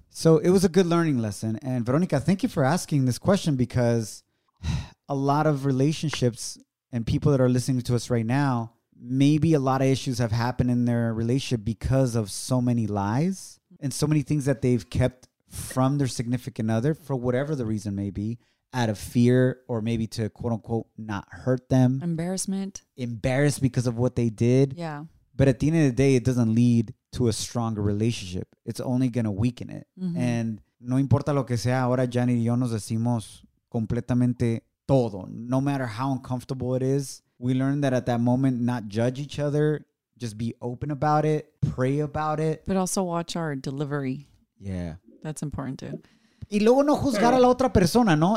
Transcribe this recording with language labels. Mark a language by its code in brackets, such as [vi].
[en] So it was a good learning lesson. And Veronica, thank you for asking this question, because a lot of relationships and people that are listening to us right now, maybe a lot of issues have happened in their relationship because of so many lies and so many things that they've kept from their significant other for whatever the reason may be, out of fear or maybe to quote unquote not hurt them. Embarrassment. Embarrassed because of what they did. Yeah. But at the end of the day, it doesn't lead to a stronger relationship. It's only going to weaken it. Mm-hmm. [es] And no importa lo que sea, ahora Jenny y yo nos decimos completamente todo. [en] No matter how uncomfortable it is, we learned that at that moment, not judge each other, just be open about it, pray about it. But also watch our delivery. Yeah. That's important too. [es] Y luego no juzgar a la otra persona, ¿no?